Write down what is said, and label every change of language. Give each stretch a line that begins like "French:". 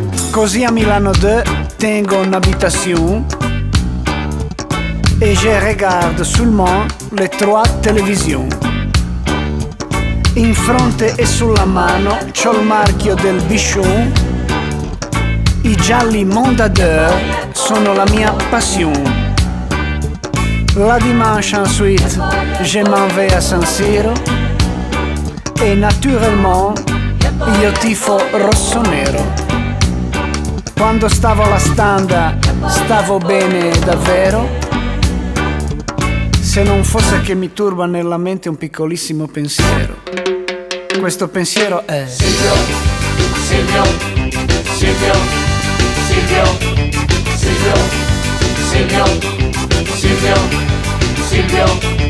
Italian: Così a Milano 2 tengo un'abitazione e
French: je regarde seulement le trois télévisions.
Italian: In fronte e sulla mano c'ho il marchio del Bichon. I gialli Mondadeur sono la mia passion.
French: La dimanche ensuite je m'en vais à San Siro e naturellement
Italian: io tifo rosso-nero. Quando stavo alla standa stavo bene davvero, se non fosse che mi turba nella mente un piccolissimo pensiero. Questo pensiero è Silvio, Silvio, Silvio, Silvio, Silvio, Silvio, Silvio, Silvio.